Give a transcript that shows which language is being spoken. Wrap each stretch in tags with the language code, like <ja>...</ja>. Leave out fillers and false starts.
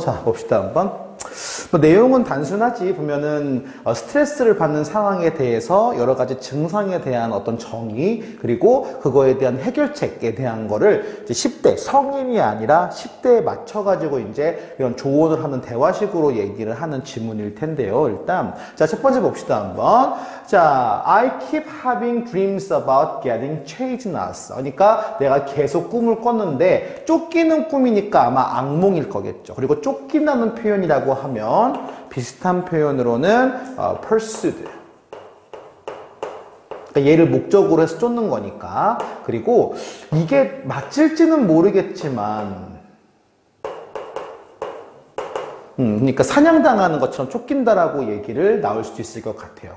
<ko>자, 봅시다, 한번. 뭐 내용은 단순하지. 보면은 스트레스를 받는 상황에 대해서 여러 가지 증상에 대한 어떤 정의, 그리고 그거에 대한 해결책에 대한 거를 이제 10대, 성인이 아니라 10대에 맞춰가지고 이제 이런 조언을 하는 대화식으로 얘기를 하는 질문일 텐데요. 일단, 자, 첫 번째 봅시다, 한번.</ko> <en>자, I keep having dreams about getting chased us.</en> <ko>그러니까 내가 계속 꿈을 꿨는데 쫓기는 꿈이니까 아마 악몽일 거겠죠. 그리고 쫓긴다는 표현이라고 하면 비슷한 표현으로는 pursued. 얘를 목적으로 해서 쫓는 거니까. 그리고 이게 맞을지는 모르겠지만, 그러니까 사냥당하는 것처럼 쫓긴다라고 얘기를 나올 수도 있을 것 같아요.</ko>